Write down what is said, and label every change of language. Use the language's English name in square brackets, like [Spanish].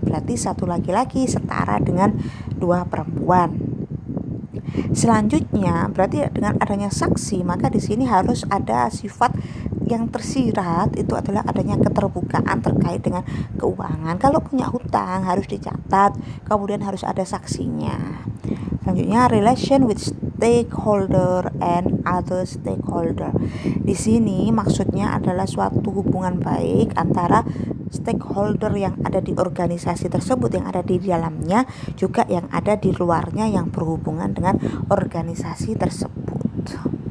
[Indonesian] Berarti satu laki-laki setara dengan dua perempuan. Selanjutnya berarti dengan adanya saksi maka di sini harus ada sifat yang tersirat, itu adalah adanya keterbukaan terkait dengan keuangan. Kalau punya hutang harus dicatat, kemudian harus ada saksinya. [English] Selanjutnya relation with stakeholder and other stakeholder. [Indonesian] Di sini maksudnya adalah suatu hubungan baik antara stakeholder yang ada di organisasi tersebut, yang ada di dalamnya, juga yang ada di luarnya yang berhubungan dengan organisasi tersebut.